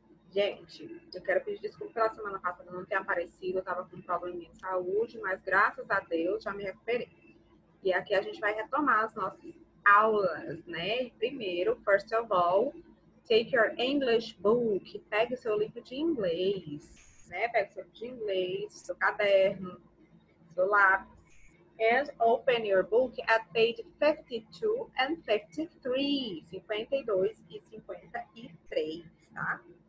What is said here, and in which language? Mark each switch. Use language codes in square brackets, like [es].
[pt] Gente, eu quero pedir desculpa pela semana passada não ter aparecido. Eu tava com um probleminha de saúde, mas graças a Deus já me recuperei. E aqui a gente vai retomar as nossas aulas, né? Primeiro, [en] first of all, take your English book. [pt] Pegue seu livro de inglês, né? Pegue seu livro de inglês, seu caderno, seu lápis. [en] And open your book at page 52 and 53. [pt] 52 e 53, tá?